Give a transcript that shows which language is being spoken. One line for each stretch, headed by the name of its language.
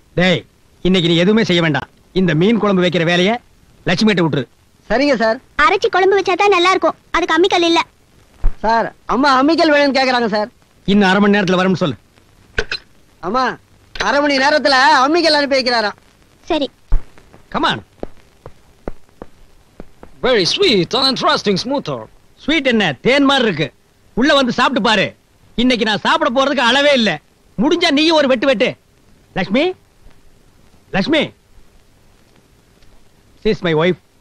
Tamil: டேய், இன்னைக்கு நீ எதுவுமே செய்ய வேண்டாம், இந்த மீன் குழம்பு வைக்கிற வேலைய லட்சுமி கிட்ட விட்டுரு. சரிங்க சார். அரைச்சி குழம்பு வச்சாதான் நல்லா இருக்கும், அதுக்கு அம்மிக்கல் இல்ல சார். அம்மா அம்மிக்கல் வேணும்னு கேக்குறாங்க சார். இன்னும் அரை மணி நேரத்துல வரும்னு சொல்லு. அம்மா, அரை மணி நேரத்துல அம்மிக்கல் அனுப்பி வைக்கிறாராம். சரி, come on.
English: Very sweet and interesting smoother.
Tamil: Sweet என்ன, தேன் மாதிரி இருக்கு. உள்ள வந்து சாப்பிட்டு பாரு. இன்னைக்கு நான் சாப்பிட போறதுக்கு அளவே இல்ல. முடிஞ்சா நீயும் ஒரு வெட்டு வெட்டு.
English: Lakshmi, Lakshmi, she is my wife.